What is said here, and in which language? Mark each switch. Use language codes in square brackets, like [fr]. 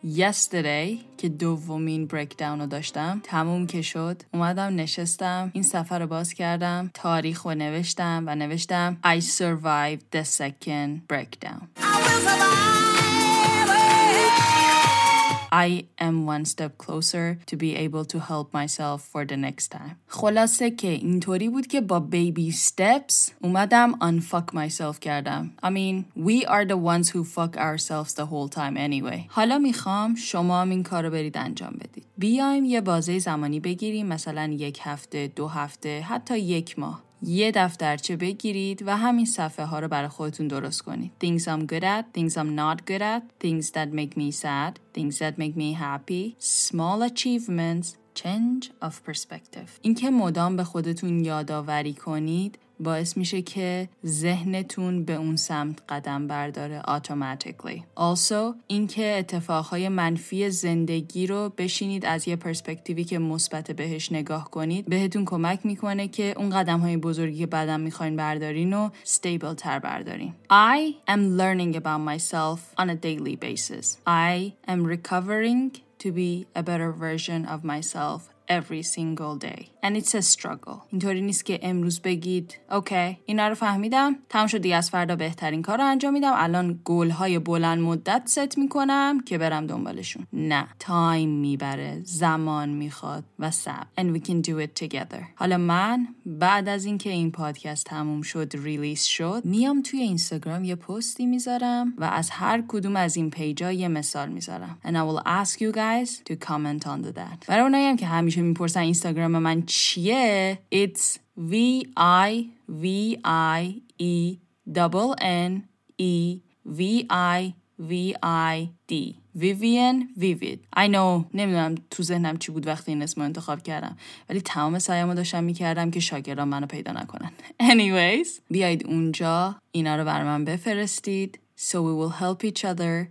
[fa] Yesterday که دومین breakdown رو داشتم تموم که شد اومدم نشستم این صفحه رو باز کردم تاریخ رو نوشتم و نوشتم [en] I survived the second breakdown I am one step closer to be able to help myself for the next time. [fa] خلاصه که اینطوری بود که با baby steps اومدم [en] unfuck myself [fa] کردم. [en] I mean, we are the ones who fuck ourselves the whole time anyway. [fa] حالا میخوام شما هم این کارو برید انجام بدید. بیایم یه بازه زمانی بگیریم مثلا یک هفته، دو هفته، حتی یک ماه. یه دفترچه بگیرید و همین صفحه ها رو برای خودتون درست کنید. [en] Things I'm good at, things I'm not good at, things that make me sad, things that make me happy, small achievements, change of perspective. [fa] این که مدام به خودتون یادآوری کنید باعث میشه که ذهنتون به اون سمت قدم برداره automatically. Also, این که اتفاقهای منفی زندگی رو بشینید از یه پرسپکتیوی که مثبت بهش نگاه کنید بهتون کمک میکنه که اون قدمهای بزرگی که بعدم میخواین بردارین رو stable تر بردارین. [en] I am learning about myself on a daily basis. I am recovering to be a better version of myself. Every single day. And it's a struggle. [fa] اینطوری نیست که امروز بگید اوکی اینا رو فهمیدم تمام شد دیگه از فردا بهترین کار رو انجام میدم الان گول های بلند مدت ست میکنم که برم دنبالشون. نه. تایم میبره. زمان میخواد و صبر. [en] And we can do it together. [fa] حالا من بعد از اینکه این پادکست تموم شد ریلیس شد میام توی اینستاگرام یه پستی میذارم و از هر کدوم از این پیجا یه مثال میذارم. [en] And I will ask you guys to comment on that. [fa] برای اونایی هم که همیشه میپرسن اینستاگرام من چیه؟ It's VIVIENNEVIVID Vivian Vivid [en] I know [fa] نمیدونم تو ذهنم چی بود وقتی این اسمو انتخاب کردم ولی تمام سعیمو داشتم میکردم که شاگردان منو پیدا نکنن Anyways بیایید اونجا اینا رو بر من بفرستید [en] So we will help each other